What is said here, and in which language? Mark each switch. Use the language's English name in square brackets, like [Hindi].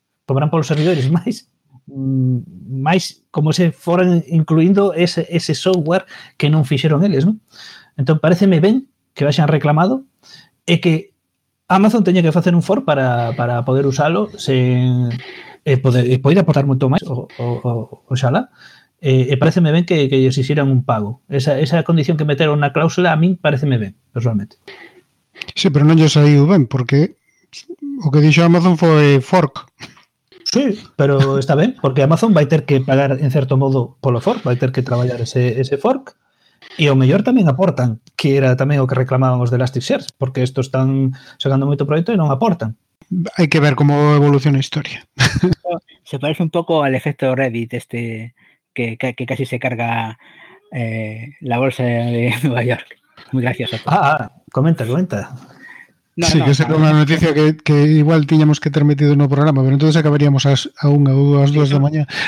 [Galician] Cobran polos servidores máis como se foran incluindo ese software que non fixeron eles, ¿no? Entón, pareceme ben que vayan reclamado e que Amazon teña que facer un fork para poder usalo poder aportar moito máis oxalá. Pareceme ben que lles hicieran un pago. Esa condición que meteron na cláusula a min pareceme ben, personalmente. Sí, pero non lle saíu ben, porque o que dixo Amazon foi fork. Sí, pero está ben, porque Amazon vai ter que pagar en certo modo polo fork, vai ter que traballar ese fork. E o mellor tamén aportan, que era tamén o que reclamaban os de Elasticsearch, porque estos están sacando moito proxecto e non aportan. Hai que ver como evoluciona a historia. [Spanish] Se parece [Galician] un pouco [Spanish] al efecto Reddit este que casi se carga la bolsa de Nueva York. Muy gracioso. Comenta. No, sí, no, que sería no, una no, noticia no. Que igual teníamos que ter metido en un programa, pero entonces acabaríamos a una o a dos de la mañana.